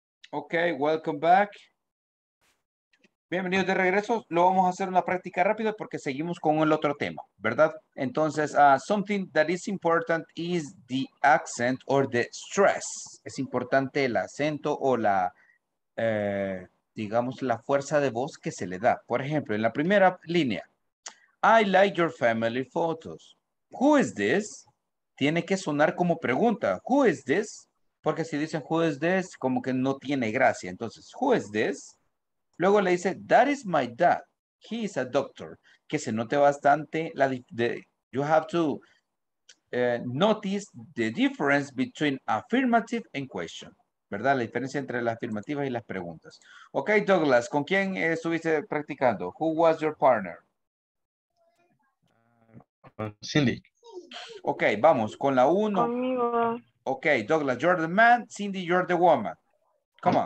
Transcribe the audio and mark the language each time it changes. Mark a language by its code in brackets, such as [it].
[en] Okay, welcome back. [es] Bienvenidos de regreso. Lo vamos a hacer una práctica rápida porque seguimos con el otro tema, ¿verdad? [en] Entonces, something that is important is the accent or the stress. [es] Es importante el acento o la, digamos, la fuerza de voz que se le da. Por ejemplo, en la primera línea. [en] I like your family photos. Who is this? [es] Tiene que sonar como pregunta. [en] Who is this? [es] Porque si dicen who is this, como que no tiene gracia. [en] Entonces, who is this? [es] Luego le dice, [en] that is my dad. He is a doctor. [es] Que se note bastante. [en] You have to notice the difference between affirmative and question. [es] ¿Verdad? La diferencia entre las afirmativas y las preguntas. Ok, Douglas, ¿con quién estuviste practicando? [en] Who was your partner? [es] Cindy. Ok, vamos, con la uno. Conmigo. [en] Ok, Douglas, you're the man. Cindy, you're the woman. Come on.